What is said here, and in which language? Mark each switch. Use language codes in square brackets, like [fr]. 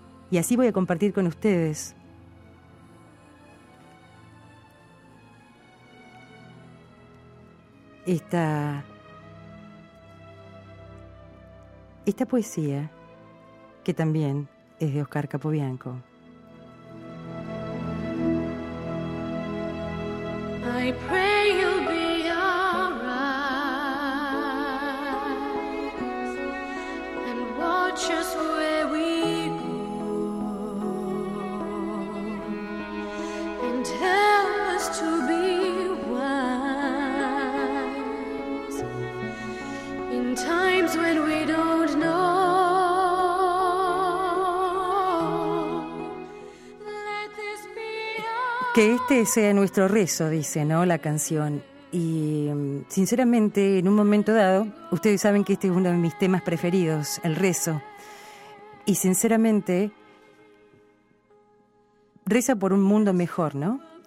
[es] Y así voy a compartir con ustedes esta poesía, que también es de Oscar Capobianco. [en] I pray you'll be all right and watch us where we go and help us to be wise in times when we don't know. Let this be our... [es] Que este sea nuestro rezo, dice, ¿no?, la canción. Y, sinceramente, en un momento dado, ustedes saben que este es uno de mis temas preferidos, el rezo. Y, sinceramente, reza por un mundo mejor, ¿no?